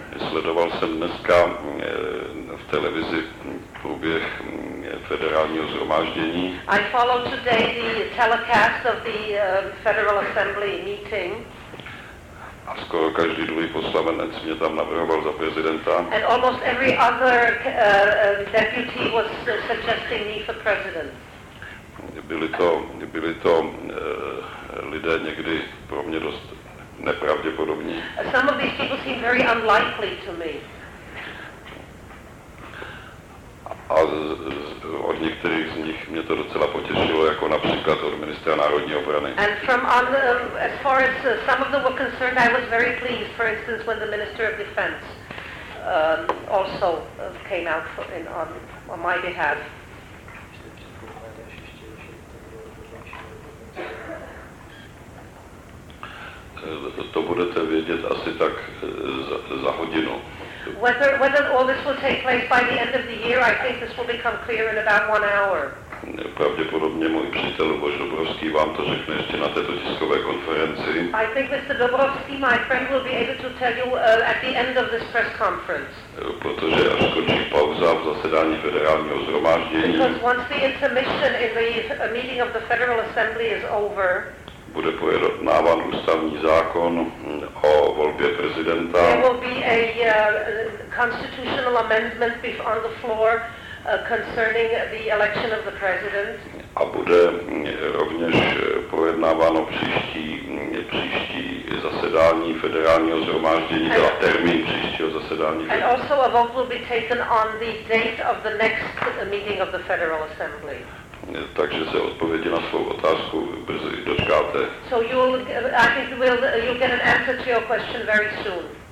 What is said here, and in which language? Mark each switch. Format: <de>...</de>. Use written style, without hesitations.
<cs>Sledoval jsem dneska v televizi průběh federálního shromáždění.</cs> <en>I followed today the telecast of the Federal Assembly meeting.</en> <cs>A skoro každý druhý poslanec mě tam navrhoval za prezidenta.</cs> <en>And almost every other deputy was suggesting me for president.</en> <cs>Byli to lidé někdy pro mě dost nepravděpodobní.</cs> <en>Some of these people seem very unlikely to me.</en> <cs>A od některých z nich mě to docela potěšilo, jako například od ministra národní obrany.</cs> <en>And from as far as some of them were concerned, I was very pleased, for instance, when the minister of defense also came out on my behalf.</en> <cs>To budete vědět asi tak za hodinu.</cs> <en>Whether all this will take place by the end of the year, I think this will become clear in about one hour.</en> <cs>Pravděpodobně můj přítel Luboš Dobrovský vám to řekne ještě na této tiskové konferenci.</cs> <en>I think Mr. Dobrovský, my friend, will be able to tell you at the end of this press conference.</en> <cs>Protože až skončí pauza v zasedání federálního shromáždění.</cs> <en>Because once the intermission in the meeting of the Federal Assembly is over,</en> <cs>bude pojednáván ústavní zákon o volbě prezidenta.</cs> <en>There will be a constitutional amendment on the floor concerning the election of the president.</en> <cs>A bude rovněž pojednáváno příští zasedání federálního shromáždění, teda termín příštího zasedání.</cs> <en>And also a vote will be taken on the date of the next meeting of the Federal Assembly.</en> <cs>Takže se odpovědi na svou otázku brzy dočkáte.</cs> <en>So you'll get an answer to your question very soon.</en>